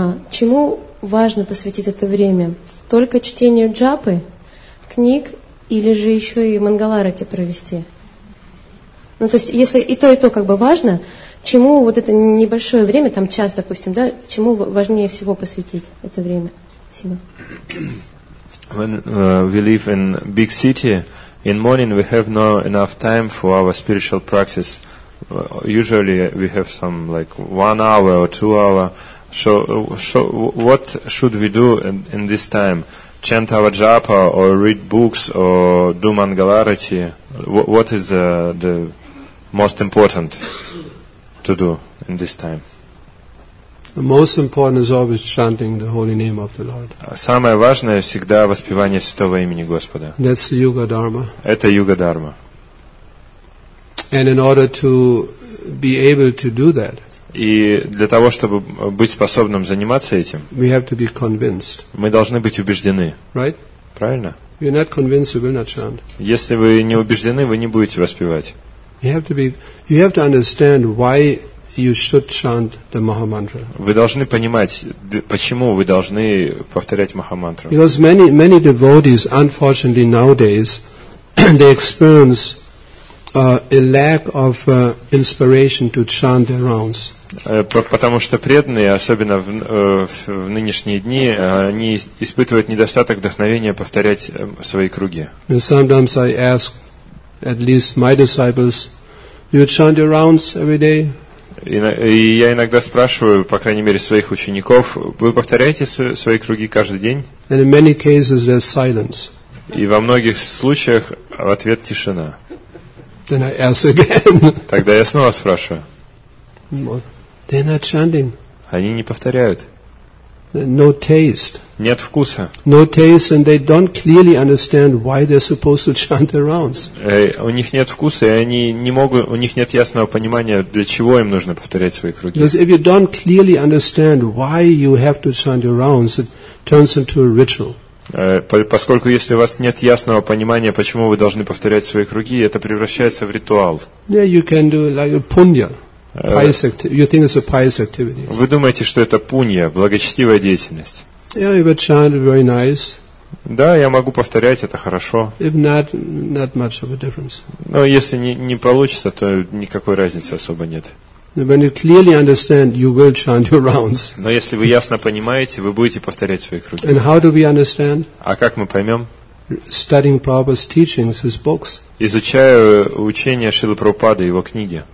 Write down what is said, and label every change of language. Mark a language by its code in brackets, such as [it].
[ru] Чему важно посвятить это время? Только чтению джапы, книг, или же еще и мангаларати провести? Ну, то есть, если и то как бы важно, чему вот это небольшое время, там час, допустим, да, чему важнее всего посвятить это время? Спасибо. [en] When we live in big city, in morning we have no enough time for our spiritual practice. Usually we have some like 1 hour or 2 hours. So what should we do in this time? Chant our japa or read books or do mangalarati? What is the most important to do in this time? The most important is always chanting the holy name of the Lord. [ru] Самое важное всегда воспевание святого имени Господа. [en] That's the yuga dharma. [ru] Это юга дхарма. [en] And in order to be able to do that, [ru] и для того чтобы быть способным заниматься этим, [en] we have to be convinced. [ru] Мы должны быть убеждены. [en] Right? [ru] Правильно? [en] If you're not convinced, you will not chant. [ru] Если вы не убеждены, вы не будете воспевать. [en] You have to understand why. You should chant the Maha Mantra. [ru] Вы должны понимать, почему вы должны повторять Маха Мантру. [en] Because many devotees, unfortunately nowadays, they experience a lack of inspiration to chant their rounds. [ru] Потому что преданные, особенно в нынешние дни, они испытывают недостаток вдохновения повторять свои круги. [en] And sometimes I ask, at least my disciples, do you chant your rounds every day? [ru] И я иногда спрашиваю, по крайней мере, своих учеников, вы повторяете свои круги каждый день? [en] And in many cases there's silence. [ru] И во многих случаях в ответ тишина. [en] Then I ask again. [ru] Тогда я снова спрашиваю. [en] They're not chanting. [ru] Они не повторяют. [en] No taste. [ru] Нет вкуса. [en] No taste, and they don't clearly understand why they're supposed to chant their rounds. [ru] У них нет вкуса, и они не могут. У них нет ясного понимания, для чего им нужно повторять свои круги. [en] Because if you don't clearly understand why you have to chant your rounds, it turns into a ritual. [ru] Поскольку если у вас нет ясного понимания, почему вы должны повторять свои круги, это превращается в ритуал. [en] Yeah, you can do like a punya. Pious activity. You think it's a pious activity. [ru] Вы думаете, что это пунья, благочестивая деятельность? [en] Yeah, if I chant very nice. [ru] Да, я могу повторять, это хорошо. [en] If not, not much of a difference. [ru] Но если не получится, то никакой разницы особо нет. [en] When you clearly understand, you will chant your rounds. [ru] Но если вы ясно понимаете, вы будете повторять свои круги. [en] And how do we understand? [ru] А как мы поймем? [en] Studying Prabhupada's teachings, his books. [ru] Изучаю учения Шрилы Прабхупады, его книги.